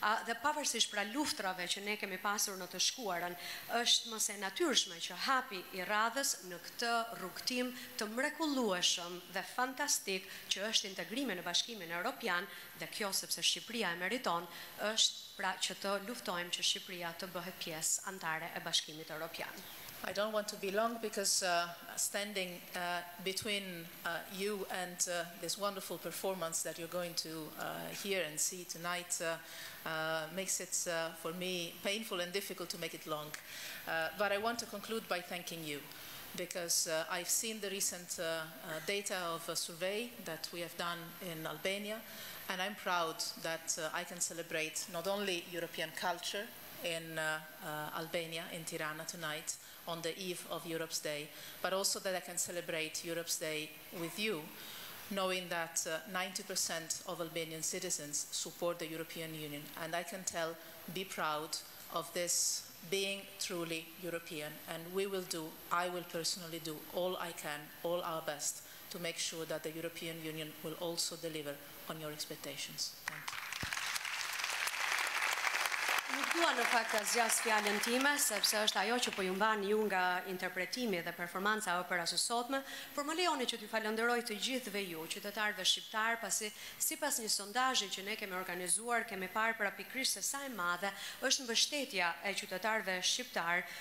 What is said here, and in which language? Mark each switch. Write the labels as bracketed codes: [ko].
[sq] dhe pavarësisht pra luftrave që ne kemi pasur në të shkuarën, është mos e natyrshme që hapi i radhës në këtë rrugtim të mrekullueshëm dhe fantastik që është integrimi në Bashkimin Evropian, dhe kjo sepse Shqipëria e meriton, është pra që të luftojmë që Shqipëria të bëhet pjesë antare e Bashkimit Evropian. [en] I don't want to be long because standing between you and this wonderful performance that you're going to hear and see tonight makes it, for me, painful and difficult to make it long. But I want to conclude by thanking you, because I've seen the recent data of a survey that we have done in Albania, and I'm proud that I can celebrate not only European culture in Albania, in Tirana tonight, on the eve of Europe's Day, but also that I can celebrate Europe's Day with you, knowing that 90% of Albanian citizens support the European Union. And I can tell, be proud of this being truly European. And we will do, I will personally do all I can, all our best, to make sure that the European Union will also deliver on your expectations. Thank you. [sq] Dua në fakt ta zgjas fjalën time, sepse është ajo që po ju mban ju nga interpretimi dhe performanca e operës së sotme, por më lejoni që t'ju falënderoj të gjithëve ju, qytetarëve shqiptar, pasi sipas një sondazhi që ne kemi organizuar, kemi parë para pikrisht se sa e madhe është mbështetja e qytetarëve shqiptar